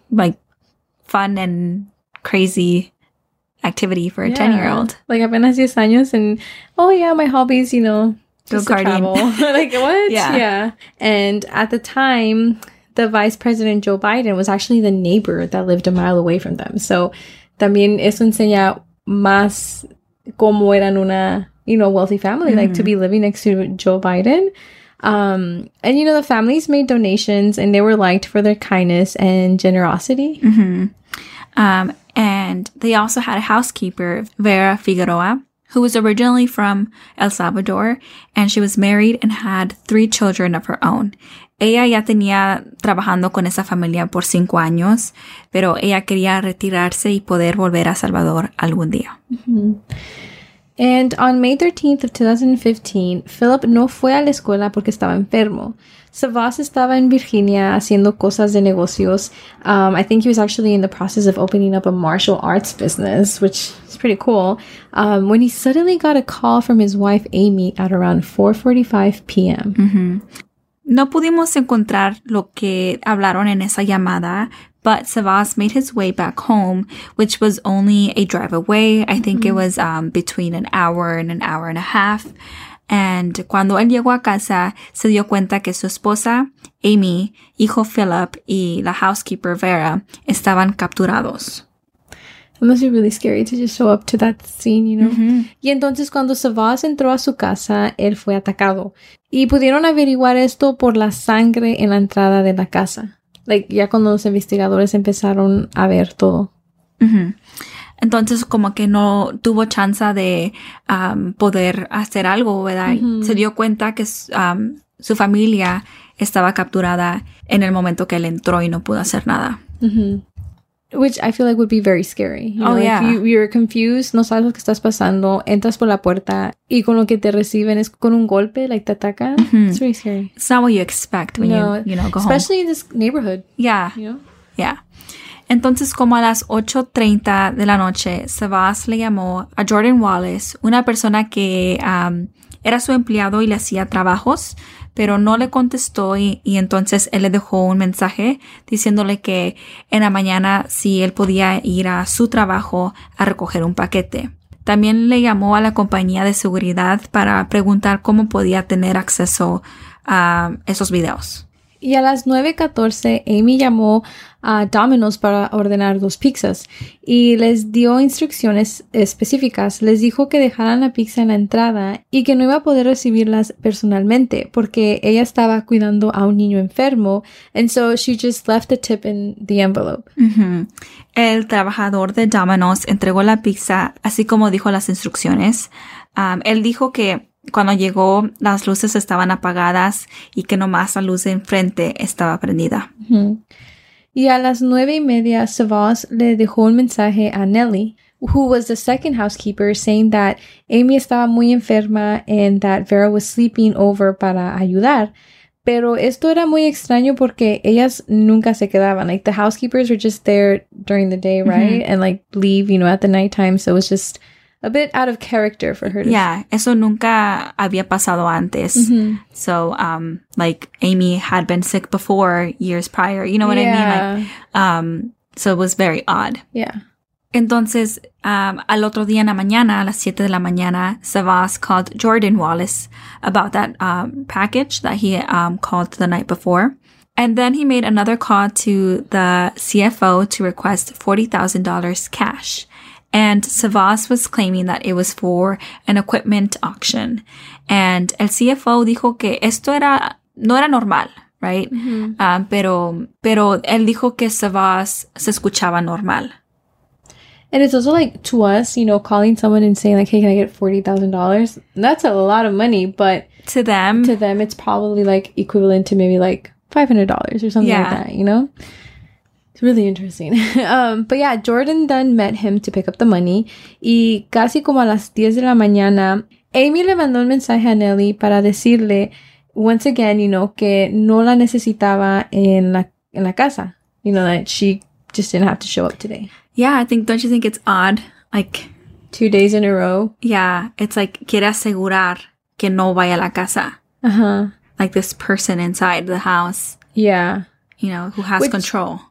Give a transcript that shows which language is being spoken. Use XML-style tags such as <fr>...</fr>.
<en>Like, fun and crazy activity for a 10-year-old. Like,</en> <es>apenas 10 años,</es> <en>and, oh, yeah, my hobbies, you know, go-karting. Like, what? Yeah. And at the time, the Vice President Joe Biden was actually the neighbor that lived a mile away from them. So,</en> <es>también eso enseña más cómo eran una,</es> <en>you know, wealthy family, mm-hmm. like to be living next to Joe Biden. And, you know, the families made donations and they were liked for their kindness and generosity. Mm-hmm. And they also had a housekeeper, Vera Figueroa, who was originally from El Salvador, and she was married and had three children of her own.</en> <es>Ella ya tenía trabajando con esa familia por 5 años, pero ella quería retirarse y poder volver a Salvador algún día. Mm-hmm.</es> <en>And on May 13th of 2015,</en> <es>Philip no fue a la escuela porque estaba enfermo. Savas estaba en Virginia haciendo cosas de negocios.</es> <en>I think he was actually in the process of opening up a martial arts business, which is pretty cool, when he suddenly got a call from his wife, Amy, at around 4:45 p.m. Mm-hmm.</en> <es>No pudimos encontrar lo que hablaron en esa llamada,</es> <en>but Sebas made his way back home, which was only a drive away. I think it was between an hour and an hour and a half.</en> <es>And cuando él llegó a casa, se dio cuenta que su esposa, Amy, hijo Philip, y la housekeeper, Vera, estaban capturados.</es> <en>It must be really scary to just show up to that scene, you know? Mm-hmm.</en> <es>Y entonces cuando Sebas entró a su casa, él fue atacado. Y pudieron averiguar esto por la sangre en la entrada de la casa. Like, ya cuando los investigadores empezaron a ver todo. Mm-hmm. Entonces, como que no tuvo chance de poder hacer algo, ¿verdad? Mm-hmm. Se dio cuenta que su familia estaba capturada en el momento que él entró y no pudo hacer nada. Mm-hmm.</es> <en>Which I feel like would be very scary. You're confused, no sabes lo que estás pasando, entras por la puerta y con lo que te reciben es con un golpe, like te atacan. Mm-hmm. It's very scary. It's not what you expect when you go especially home. Especially in this neighborhood. Yeah. You know? Yeah.</en> <es>Entonces, como a las 8:30 de la noche, Sebas le llamó a Jordan Wallace, una persona que era su empleado y le hacía trabajos, pero no le contestó y entonces él le dejó un mensaje diciéndole que en la mañana si él podía ir a su trabajo a recoger un paquete. También le llamó a la compañía de seguridad para preguntar cómo podía tener acceso a esos videos. Y a las 9:14, Amy llamó a Domino's para ordenar dos pizzas y les dio instrucciones específicas. Les dijo que dejaran la pizza en la entrada y que no iba a poder recibirlas personalmente porque ella estaba cuidando a un niño enfermo.</es> <en>And so she just left the tip in the envelope. Mm-hmm.</en> <es>El trabajador de Domino's entregó la pizza así como dijo las instrucciones. Él dijo que cuando llegó, las luces estaban apagadas y que nomás la luz de enfrente estaba prendida. Mm-hmm. Y a las 9:30, Sebas le dejó un mensaje a Nelly,</es> <en>who was the second housekeeper, saying that</en> <es>Amy estaba muy enferma</es> <en>and that Vera was sleeping over</en> <es>para ayudar. Pero esto era muy extraño porque ellas nunca se quedaban.</es> <en>Like, the housekeepers were just there during the day, right? Mm-hmm. And, like, leave, you know, at the nighttime. So it was just a bit out of character for her.</en> <es>Yeah, eso nunca había pasado antes. Mm-hmm.</es> <en>So, like, Amy had been sick before, years prior. You know what yeah. I mean? Like, so it was very odd. Yeah.</en> <es>Entonces, al otro día en la mañana, a las 7 de la mañana, Sebas</es> <en>called Jordan Wallace about that package that he called the night before. And then he made another call to the CFO to request $40,000 cash. And Sebas was claiming that it was for an equipment auction.</en> <es>And el CFO dijo que esto era no era normal, right? Mm-hmm. Pero él dijo que Sebas se escuchaba normal.</es> <en>And it's also like, to us, you know, calling someone and saying like, hey, can I get $40,000? That's a lot of money, but to them, it's probably like equivalent to maybe like $500 or something like that, you know? It's really interesting. But yeah, Jordan then met him to pick up the money.</en> <es>Y casi como a las 10 de la mañana, Amy le mandó un mensaje a Nelly para decirle,</es> <en>once again,</en> <es>you know, que no la necesitaba en la casa.</es> <en>You know, that she just didn't have to show up today. Yeah, I think, don't you think it's odd? Like, 2 days in a row?</en> <es>Yeah,</es> <en>it's like,</en> <es>quiere asegurar que no vaya a la casa. Uh-huh.</es> <en>Like this person inside the house. Yeah. You know, who has control.</en>